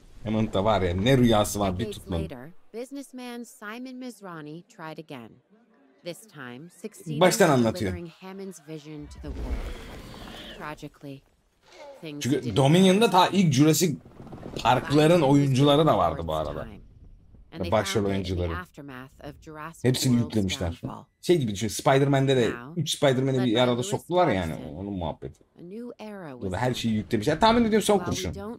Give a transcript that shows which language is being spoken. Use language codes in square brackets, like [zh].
[tr] Hammond da var ya, ne rüyası var bir tutmam. [en] Later, businessman Simon Mizrani tried again. This time, succeeding in delivering Hammond's vision to the world. Tragically, things didn't. [tr] Çünkü Dominion'da ta ilk Jurassic Park'ların oyuncuları da vardı bu arada. Başrol oyuncuları. Hepsini yüklemişler. Şey gibi düşün, Spider-Man'de de 3 Spider-Man'i bir arada soktular yani. Onun muhabbeti. Burada her şeyi yüklemişler. Tahmin ediyorum son kurşun.